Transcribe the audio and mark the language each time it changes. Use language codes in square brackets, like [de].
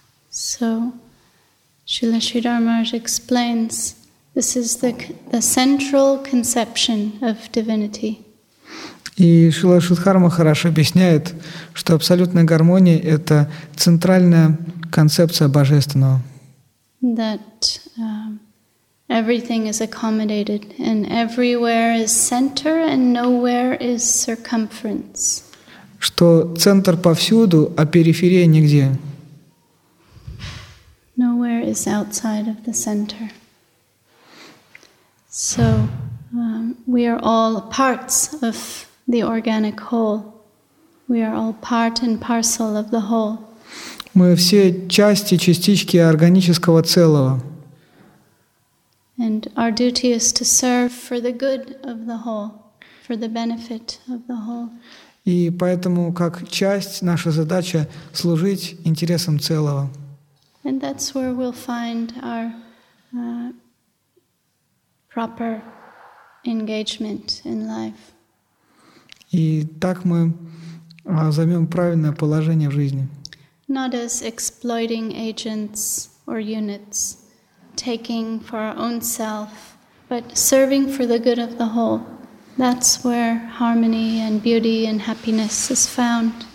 [en] So, Śrīla Śrīdhara Mahārāja explains, this is the central conception of divinity. [ru] И Шрила Шридхара Махарадж объясняет, что абсолютная гармония — это центральная концепция Божественного. [en] That everything is accommodated, and everywhere is center, and nowhere is circumference. [ru] Что центр повсюду, а периферия нигде. [en] Nowhere is outside of the center. So we are all parts of the organic whole. We are all part and parcel of the whole. [ru] Мы все части, частички органического целого. [en] And our duty is to serve for the good of the whole, for the benefit of the whole. [ru] И поэтому, как часть, наша задача служить интересам целого. [en] And that's where we'll find our proper engagement in life. [ru] И так мы займем правильное положение в жизни. [en] Not as exploiting agents or units, taking for our own self, but serving for the good of the whole. That's where harmony and beauty and happiness is found.